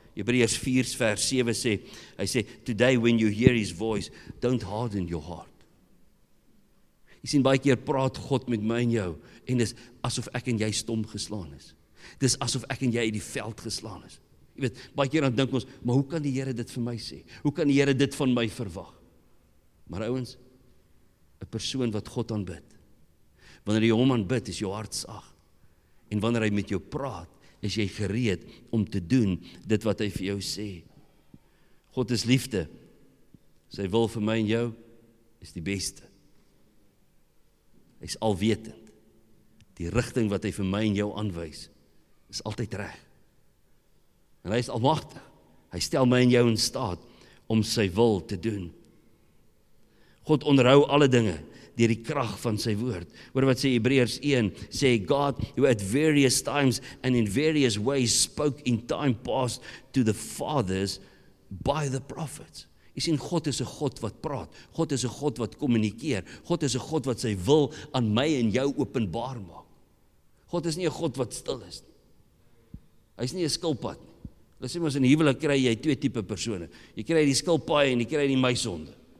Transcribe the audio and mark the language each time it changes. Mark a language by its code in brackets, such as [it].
[af] Hebreërs 4 vers 7 sê, hy sê, [en] "Today when you hear his voice, don't harden your heart." [af] Jy sien, baie keer praat God met my en jou, en dis asof ek en jy stom geslaan is. Dis asof ek en jy in die veld geslaan is. Jy weet, baie keer dan dink ons, maar hoe kan die Here dit vir my sê? Hoe kan die Here dit van my verwag? Maar ouens, 'n persoon wat God aanbid, wanneer jy hom aanbid, is jou hart sag. En wanneer hy met jou praat, is jy gereed om te doen dit wat hy vir jou sê. God is liefde. Sy wil vir my en jou is die beste. Hy is alwetend. Die rigting wat hy vir my en jou aanwys, is altyd reg. En hy is almagtig. Hy stel my en jou in staat om sy wil te doen. God onderhou alle dinge deur die krag van sy woord. Hoor wat sê Hebreërs 1, sê God, [en] who at various times and in various ways spoke in time past to the fathers by the prophets. [af] Jy sien, God is 'n God wat praat. God is 'n God wat kommunikeer. God is 'n God wat sy wil aan my en jou openbaar maak. God is nie 'n God wat stil is nie. Hy is nie 'n skilpad nie. Hulle sê mos in huwelik kry jy 2 tipe persone. Jy kry die skilpaaie en jy kry die muishonde.